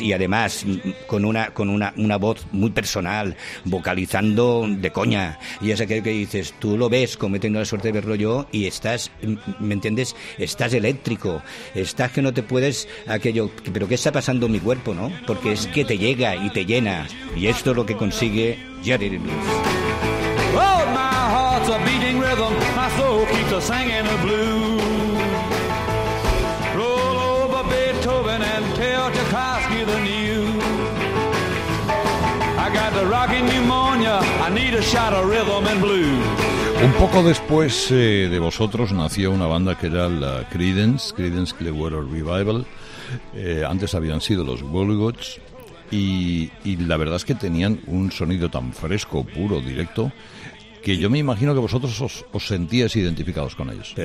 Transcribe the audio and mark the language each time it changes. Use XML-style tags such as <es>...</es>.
<es>Y además con una voz muy personal, vocalizando de coña, y es aquello que dices, tú lo ves, como he tenido la suerte de verlo yo, y estás, ¿me entiendes?, estás eléctrico. eléctrico, estás que no te puedes aquello, pero qué está pasando en mi cuerpo, ¿no? Porque es que te llega y te llena, y esto es lo que consigue Jerry Lee Lewis.</es> <en>Oh, my heart's a beating rhythm, my soul keeps a singing the blues. Roll over Beethoven and tell Tchaikovsky the news. I got the rocking pneumonia, I need a shot of rhythm and blues.</en> <es>Un poco después de vosotros nació una banda que era la Creedence Clearwater Revival. Antes habían sido los Wolgoths y la verdad es que tenían un sonido tan fresco, puro, directo, que yo me imagino que vosotros os sentíais identificados con ellos.</es>